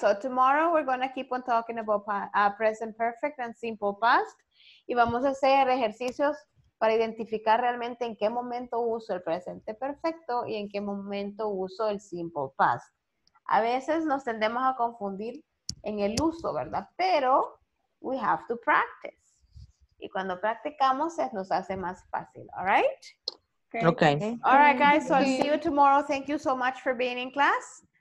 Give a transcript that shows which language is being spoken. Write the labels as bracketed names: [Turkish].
[English] So tomorrow we're going to keep on talking about present perfect and simple past. [Spanish] Y vamos a hacer ejercicios para identificar realmente en qué momento uso el presente perfecto y en qué momento uso el simple past. A veces nos tendemos a confundir en el uso, ¿verdad? Pero [English] we have to practice. [Spanish] Y cuando practicamos se nos hace más fácil, [English] ¿all right? Okay. All right, guys, so I'll see you tomorrow. Thank you so much for being in class.